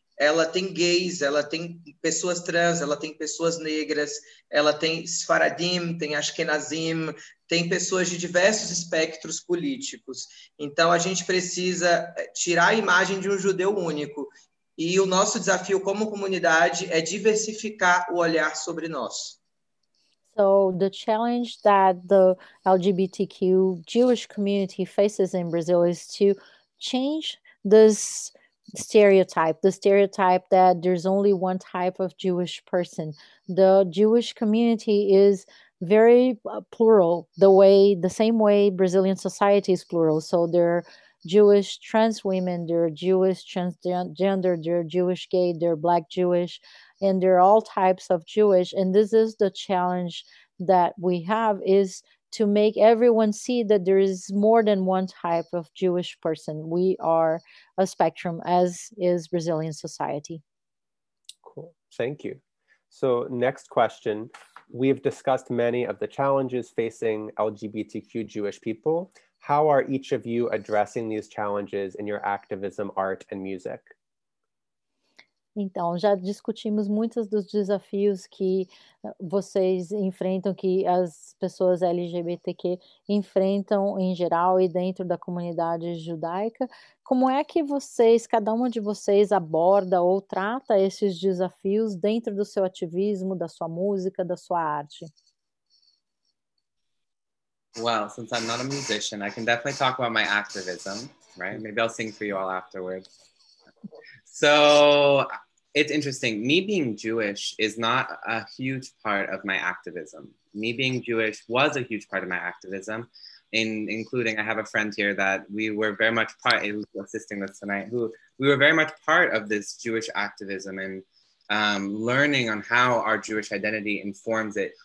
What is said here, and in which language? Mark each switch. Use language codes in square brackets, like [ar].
[pt] Ela tem gays, ela tem pessoas trans, ela tem pessoas negras, ela tem sfaradim, tem ashkenazim, tem pessoas de diversos espectros políticos. Então, a gente precisa tirar a imagem de um judeu único. E o nosso desafio como comunidade é diversificar o olhar sobre nós. [en] So, the challenge that the LGBTQ Jewish community faces in Brazil is to change this stereotype, the stereotype that there's only one type of Jewish person. The Jewish community is very plural, the same way Brazilian society is plural. So there are Jewish trans women, there are Jewish transgender, there are Jewish gay, there are Black Jewish, and there are all types of Jewish. And this is the challenge that we have, is to make everyone see that there is more than one type of Jewish person. We are a spectrum, as is Brazilian society. Cool, thank you. So next question, we've discussed many of the challenges facing LGBTQ Jewish people. How are each of you addressing these challenges in your activism, art, and music? [pt] Então, já discutimos muitos dos desafios que vocês enfrentam, que as pessoas LGBTQ enfrentam em geral e dentro da comunidade judaica. Como é que vocês, cada uma de vocês, aborda ou trata esses desafios dentro do seu ativismo, da sua música, da sua arte? [en] Well, since I'm not a musician, I can definitely talk about my activism, right? Maybe I'll sing for you all afterwards. So it's interesting. Me being Jewish is not a huge part of my activism. Me being Jewish was a huge part of my activism, including I have a friend here that we were very much part, assisting us tonight, who we were very much part of this Jewish activism and learning on how our Jewish identity informs it.